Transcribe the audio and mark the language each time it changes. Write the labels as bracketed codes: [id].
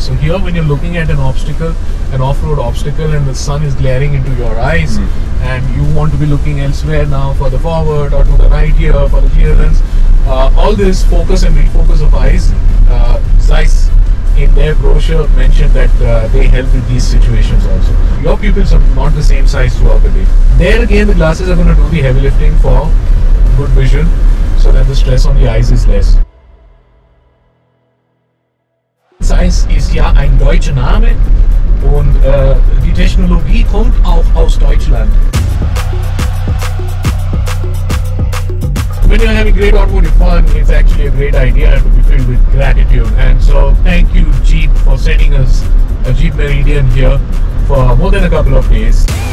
[en] So here, when you're looking at an obstacle, an off-road obstacle, and the sun is glaring into your eyes, and you want to be looking elsewhere now for the forward or to the right here for the clearance, all this focus and refocus of eyes, Zeiss, in their brochure mentioned that they help with these situations also. Your pupils are not the same size throughout the day. There again, the glasses are going to do the heavy lifting for good vision, so that the stress on the eyes is less. [de] Zeiss ist ja ein deutscher Name und die Technologie kommt auch aus Deutschland. [en] When you're having great automotive fun, it's actually a great idea to be filled with gratitude. And so, thank you Jeep for sending us a Jeep Meridian here for more than a couple of days.